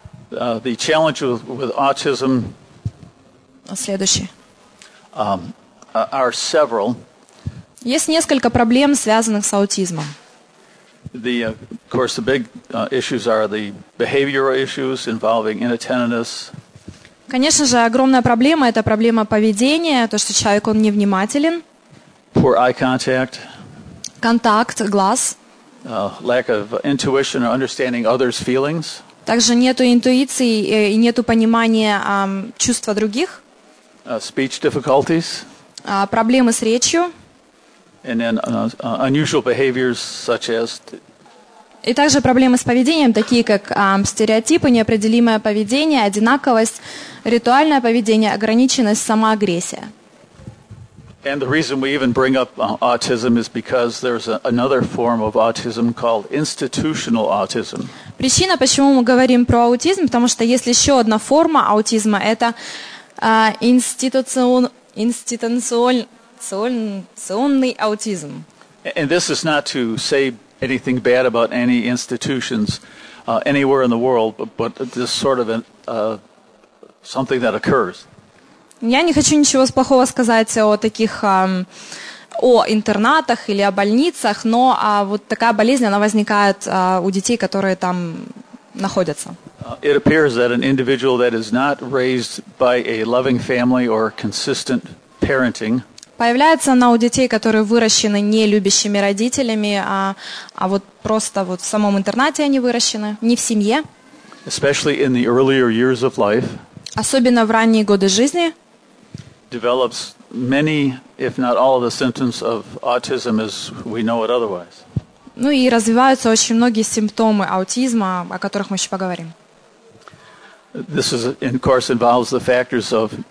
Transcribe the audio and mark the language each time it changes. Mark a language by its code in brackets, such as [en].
[en] The challenge with autism. [ru] Следующий. [en] Are several. [ru] Есть несколько проблем, связанных с аутизмом. [en] Of course, the big issues are the behavioral issues involving inattentiveness. [ru] Конечно же, огромная проблема — это проблема поведения, то, что человек, он невнимателен. [en] Poor eye contact. [ru] Контакт глаз. [en] Lack of intuition or understanding others' feelings. [ru] Также нету интуиции и нету понимания чувства других. [en] Speech difficulties. [ru] Проблемы с речью. [en] And then unusual behaviors such as. [ru] И также проблемы с поведением, такие как стереотипы, неопределимое поведение, одинаковость, ритуальное поведение, ограниченность, самоагрессия. [en] And the reason we even bring up autism is because there's another form of autism called institutional autism. [ru] Причина, почему мы говорим про аутизм, потому что есть еще одна форма аутизма, это институциональный аутизм. [en] And this is not to say anything bad about any institutions anywhere in the world, but this sort of something that occurs. [ru] Я не хочу ничего плохого сказать о таких о интернатах или о больницах, но вот такая болезнь, она возникает у детей, которые там находятся. [en] It appears that an individual that is not raised by a loving family or consistent parenting. [ru] Появляется она у детей, которые выращены не любящими родителями, а вот просто вот в самом интернате они выращены, не в семье. [en] Especially in the earlier years of life. [ru] Особенно в ранние годы жизни. [en] Develops many, if not all, of the symptoms of autism as we know it otherwise. [ru] Ну и развиваются очень многие симптомы аутизма, о которых мы еще поговорим. [en] This is, of course, involves the factors of.